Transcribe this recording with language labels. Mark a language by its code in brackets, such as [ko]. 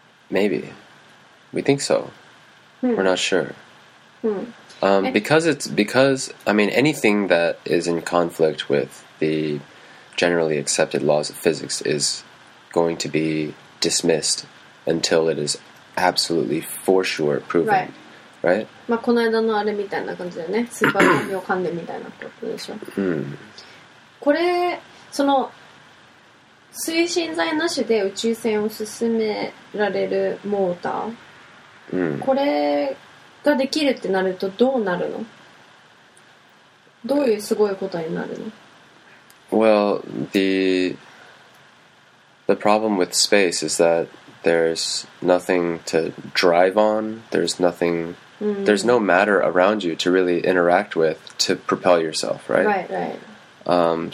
[en] Maybe. We think so. We're not sure. Because I mean, anything that is in conflict with the generally accepted laws of physics is going to be dismissed until it is absolutely for sure proven. Right. Right? [ja] まあ、この間のあれみたいな感じだよね。スーパーマリオ関連みたいなことでしょ。これ、その推進剤なしで宇宙船を進められるモーター、これができるってなるとどうなるの？どういうすごいことになるの？ [en] Well, the problem with space is that there's nothing to drive on. There's nothing. There's no matter around you to really interact with to propel yourself, right? Right.